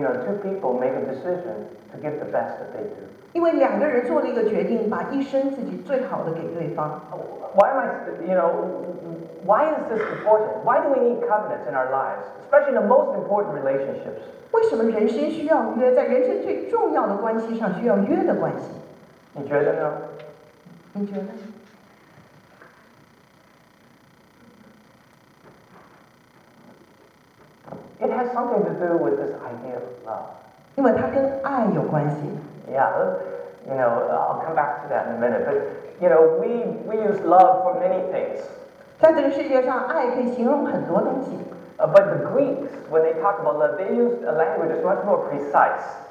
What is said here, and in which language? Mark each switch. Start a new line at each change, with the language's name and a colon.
English: know, two people make a decision to give the best that they do.
Chinese: 因为两个人做了一个决定，把一生自己最好的给对方。
English: Why am I, you know, why is this important? Why do we need covenants in our lives, especially in the most important relationships?
Chinese: 为什么人生需要约？在人生最重要的关系上需要约的关系。你觉得呢？你觉得？
English: It has something to do with this idea of love.
Chinese: 因为它跟爱有关系。
English: Yeah, you know, I'll come back to that in a minute. But you know, we use love for many things.
Chinese: 在这个世界上，爱可以形容很多东西。
English: But the Greeks, when they talk about love, they use a language that's much more precise.